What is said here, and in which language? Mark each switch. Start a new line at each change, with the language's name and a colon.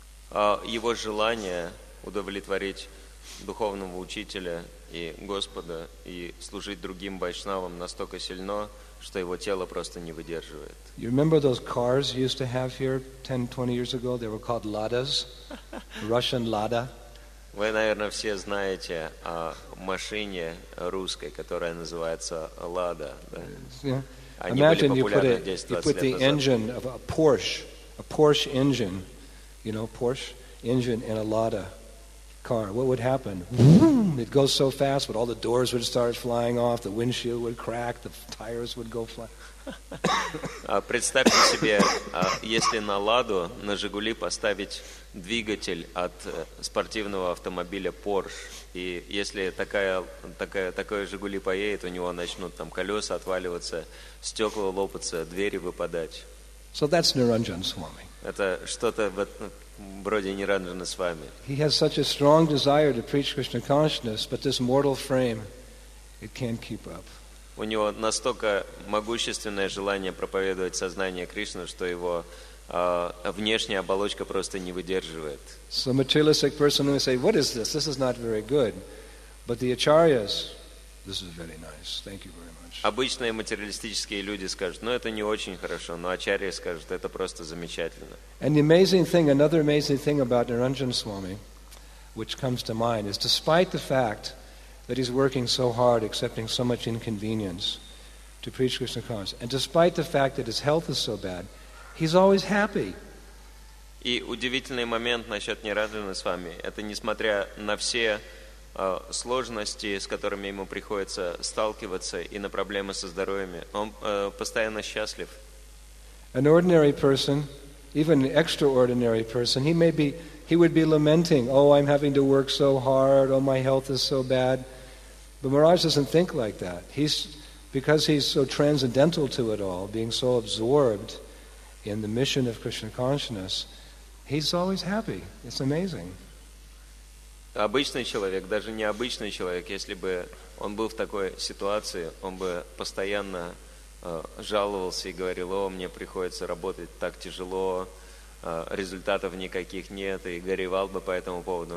Russian: Его желание удовлетворить духовного учителя и Господа и служить другим вайшнавам настолько сильно, что его тело просто не выдерживает.
English: You remember those cars you used to have here 10-20 years ago? They were called Ladas, Russian Lada.
Russian: Вы, наверное, все знаете о машине русской, которая называется Лада.
English: Yeah. Imagine you put the engine of a Porsche engine, you know, Porsche engine in a Lada car. What would happen? It goes so fast, but all the doors would start flying off, the windshield would crack, the tires would go flying.
Russian: Представьте себе, если на Ладу, на Жигули поставить двигатель от спортивного автомобиля Porsche, и если такое Жигули поедет, у него начнут там колеса отваливаться, стекла лопаться, двери выпадать.
English: So that's Niranjan Swami.
Russian: Это что-то вроде Ниранджана Свами.
English: He has such a strong desire to preach Krishna consciousness, but this mortal frame, it can't keep up.
Russian: У него настолько могущественное желание проповедовать сознание Кришны, что его внешняя оболочка просто не выдерживает.
English: So materialistic person may say, what is this? This is not very good. But the acharyas, this is very nice. Thank you very much.
Russian: Обычные материалистические люди скажут, ну это не очень хорошо, но ачарьи скажут, это просто замечательно.
English: And the amazing thing, another amazing thing about Niranjan Swami, which comes to mind, is despite the fact that he's working so hard, accepting so much inconvenience to preach Krishna consciousness. And despite the fact that his health is so bad, he's always happy.
Russian: И удивительный момент насчет Ниранджана Свами. Это несмотря на все сложности, с которыми ему приходится сталкиваться, и на проблемы со здоровьем, он постоянно счастлив.
English: An ordinary person, even an extraordinary person, he would be lamenting, oh, I'm having to work so hard, oh, my health is so bad. But Maharaj doesn't think like that. Because he's so transcendental to it all, being so absorbed in the mission of Krishna consciousness, he's always happy. It's amazing.
Russian: Обычный человек, даже необычный человек, если бы он был в такой ситуации, он бы постоянно жаловался и говорил: «О, мне приходится работать так тяжело, результатов никаких нет», и горевал бы по этому поводу.